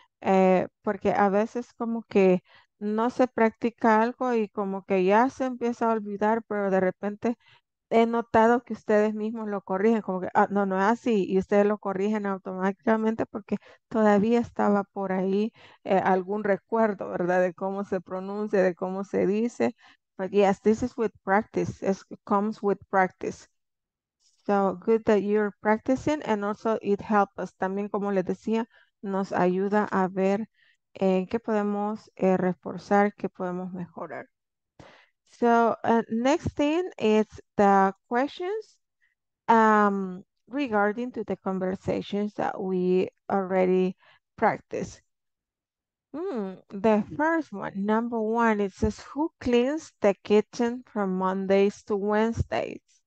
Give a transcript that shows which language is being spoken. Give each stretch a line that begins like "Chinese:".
Spanish: Porque a veces como que no se practica algo y como que ya se empieza a olvidar, pero de repente he notado que ustedes mismos lo corrigen, como que no es así, y ustedes lo corrigen automáticamente porque todavía estaba por ahí algún recuerdo, ¿verdad? De cómo se pronuncia, de cómo se dice.
English: But yes, this is with practice, it comes with practice. So good that you're practicing, and also it helps us.
Spanish: También, como les decía, nos ayuda a ver qué podemos reforzar, qué podemos mejorar.
English: So next thing is the questions regarding to the conversations that we already practiced. The first one, number one, it says, who cleans the kitchen from Mondays to Wednesdays?